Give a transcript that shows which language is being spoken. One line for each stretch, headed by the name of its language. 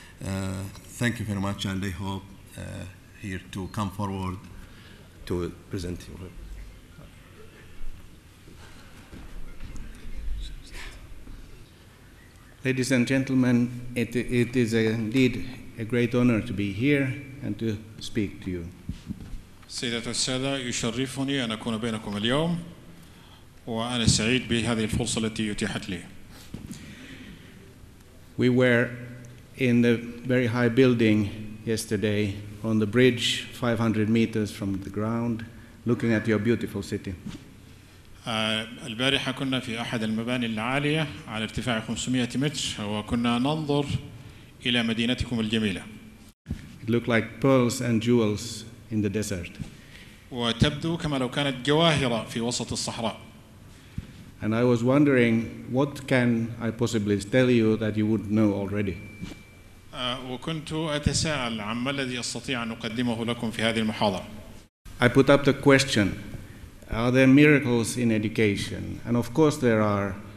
English: Thank you very much, and I hope here to come forward to present you. Ladies and gentlemen, it is indeed a great honor to be here and to speak to you.
Arabic: سيدات والسادة، يشرفني أن أكون بينكم اليوم، وأنا سعيد بهذه الفرصة التي أتيحت لي.
English: We were in the very high building yesterday on the bridge 500 meters from the ground looking at your beautiful city.
Arabic: البارحة كنا في أحد المباني العالية على ارتفاع 500 متر وكنا ننظر إلى مدينتكم الجميلة.
English: It looked like pearls and jewels in the desert.
Arabic: وتبدو كما لو كانت جواهر في وسط الصحراء.
English: And I was wondering, what can I possibly tell you that you wouldn't know already?
Arabic: وكنت أتساءل عما الذي أستطيع أن أقدمه لكم في هذه المحاضرة.
English: I put up the question, are there miracles in education? And of course there are.